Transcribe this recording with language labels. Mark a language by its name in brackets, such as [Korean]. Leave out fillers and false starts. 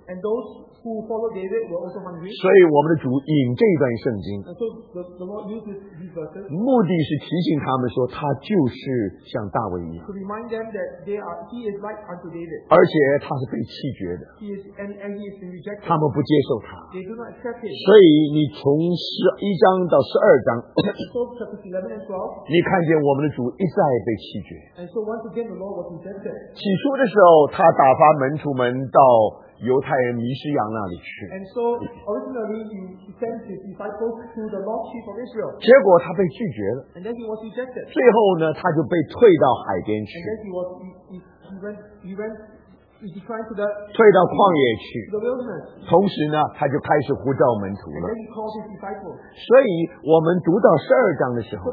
[English] And those who follow David were also hungry. [Chinese] 所以我们的主引这段圣经 [English] And so the Lord uses these verses. [Chinese] 目的是提醒他们说他就是像大卫一样 [English] To remind them that he is like unto David. [Chinese] 而且他是被弃绝的 [English] And he is rejected. [Chinese] 他们不接受他 [English] They do not accept him. [Chinese] 所以你从11章到12章 [English] So chapters 11 and 12. [Chinese] 你看见我们的主一再被弃绝 [English] And so once again the Lord was rejected. [Chinese] 起初的时候他打发门徒们到犹太人弥施洋那里去 [English] and so, originally, he sent his disciples to the Lord Chief of Israel. [Chinese] 结果他被拒绝了 [English] and then he was rejected. [Chinese] 最后呢他就被退到海边去 [English] and then he declined to the [Chinese] 退到旷野去 [English] the wilderness. [Chinese] 同时呢他就开始呼召门徒了 [English] and then he called his disciples. [Chinese] 所以我们读到十二章的时候